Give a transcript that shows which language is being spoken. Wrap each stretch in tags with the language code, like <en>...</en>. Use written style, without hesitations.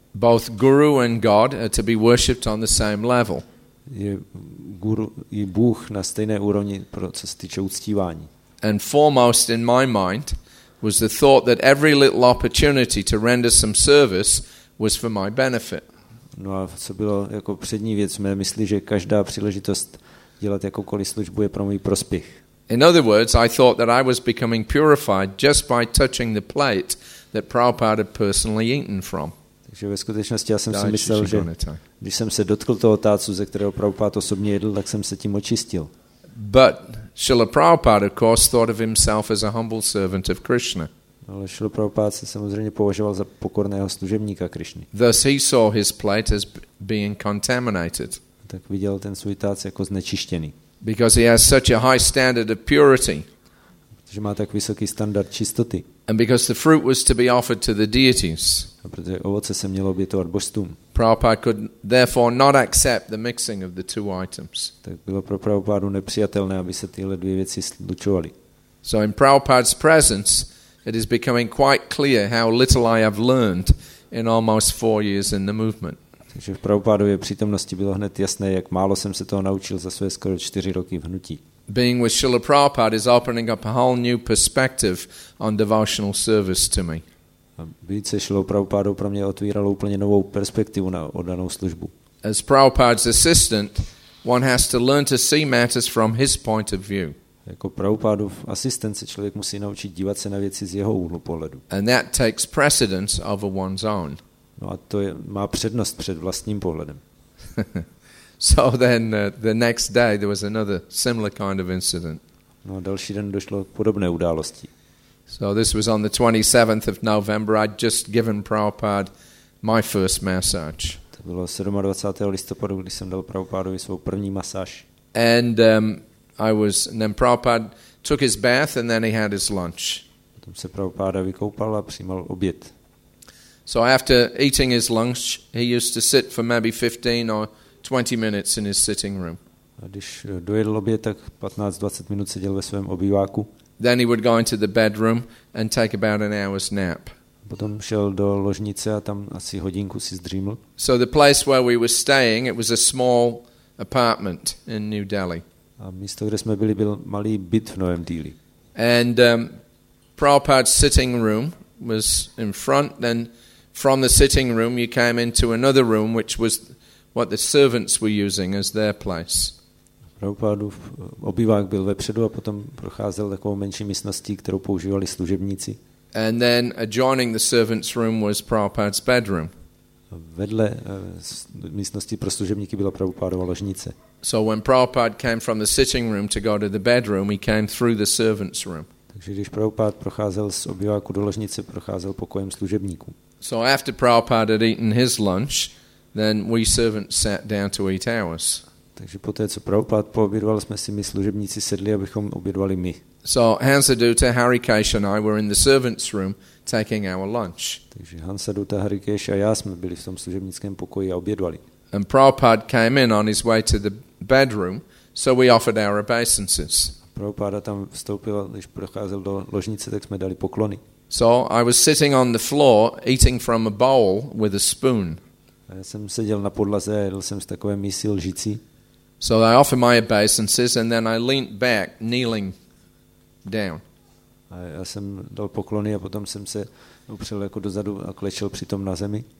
<en>Both guru and God are to be worshipped on the same level.</en> <cs>Je guru i Bůh na stejné úrovni, pro co se týče uctívání.</cs> <en>And foremost in my mind was the thought that every little opportunity to render some service was for my benefit.</en> <cs>No a co bylo jako přední věc, mě myslí, že každá příležitost dělat jakoukoliv službu je pro můj prospěch.</cs> <en>In other words, I thought that I was becoming purified just by touching the plate that Prabhupada had personally eaten from.</en> <cs>Takže ve skutečnosti já jsem si myslel, že když jsem se dotkl toho tácu, ze kterého Prabhupada osobně jedl, tak jsem se tím očistil.</cs> <en>But Srila Prabhupada, of course, thought of himself as a humble servant of Krishna.</en> <cs>Ale Srila Prabhupada se samozřejmě považoval za pokorného služebníka Krišny.</cs> <en>Thus he saw his plate as being contaminated.</en> <cs>tak viděl ten svůj tác jako znečištěný.</cs> <en>Because he has such a high standard of purity.</en> <cs>Protože má tak vysoký standard čistoty.</cs> <en>And because the fruit was to be offered to the deities.</en> <cs>A protože ovoce se mělo obětovat božstvům.</cs> <en>Prabhupada could therefore not accept the mixing of the two items.</en> <cs>Tak bylo pro Prabhupádu nepřijatelné, aby se tyhle dvě věci slučovaly.</cs> <en>So in Prabhupada's presence, it is becoming quite clear how little I have learned in almost 4 years in the movement.</en> <cs>Takže v Prabhupádově přítomnosti bylo hned jasné, jak málo jsem se toho naučil za své skoro 4 roky v hnutí.</cs> <en>Being with Srila Prabhupada is opening up a whole new perspective on devotional service to me.</en> <cs>Být se Srila Prabhupádou pro mě otvíralo úplně novou perspektivu na oddanou službu.</cs> <en>As Prabhupada's assistant, one has to learn to see matters from his point of view.</en> <cs>Jako Prabhupádův asistent se člověk musí naučit dívat se na věci z jeho úhlu pohledu.</cs> <en>And that takes precedence over one's own.</en> <cs>No a to je, má přednost před vlastním pohledem.</cs> <en>So then the next day there was another similar kind of incident.</en> <cs>No a další den došlo k podobné události.</cs> <en>So this was on the 27th of November. I'd just given Prabhupada my first massage.</en> <cs>To bylo 27. listopadu, kdy jsem dal Prabhupádovi svou první masáž.</cs> <en>And then Prabhupada took his bath and then he had his lunch.</en> <cs>Potom se Prabhupáda vykoupal a přijímal oběd.</cs> <en>So after eating his lunch, he used to sit for maybe 15 or 20 minutes in his sitting room.</en> <cs>A když dojedl oběd, tak 15-20 minut seděl ve svém obýváku.</cs> <en>Then he would go into the bedroom and take about an hour's nap.</en> <cs>Potom šel do ložnice a tam asi hodinku si zdříml.</cs> <en>So the place where we were staying, it was a small apartment in New Delhi.</en> <cs>A místo, kde jsme byli, byl malý byt v Novém Delhi.</cs> <en>And Prabhupada's sitting room was in front, then from the sitting room you came into another room which was what the servants were using as their place.</en> <cs>Prabhupádův obývák byl vepředu a potom procházel takovou menší místností, kterou používali služebníci.</cs> <en>And then adjoining the servants room was Prabhupada's bedroom.</en> <cs>Vedle místnosti pro služebníky byla Prabhupádova ložnice.</cs> <en>So when Prabhupada came from the sitting room to go to the bedroom, he came through the servants room.</en> <cs>Takže když Prabhupada procházel z obýváku do ložnice, procházel pokojem služebníků.</cs> <en>So after Prabhupada had eaten his lunch, then we servants sat down to eat ours.</en> <cs>Takže poté, co Prabhupada poobědval, jsme si my služebníci sedli, abychom obědvali my.</cs> <en>So Hansaduta, Harikesh and I were in the servants room taking our lunch.</en> <cs>Takže Hansaduta, Harikesh a já jsme byli v tom služebnickém pokoji a obědvali.</cs> <en>And Prabhupada came in on his way to the bedroom, so we offered our obeisances.</en> <cs>Prabhupada tam vstoupil, když procházel do ložnice, tak jsme dali poklony.</cs> <en>So I was sitting on the floor eating from a bowl with a spoon.</en> <cs>A já jsem seděl na podlaze, jedl jsem z takové mísy lžicí.</cs> <en>So I offered my obeisances and then I leaned back kneeling down.</en> <cs>A já jsem dal poklony a potom jsem se upřel jako dozadu a klečel přitom na zemi.</cs>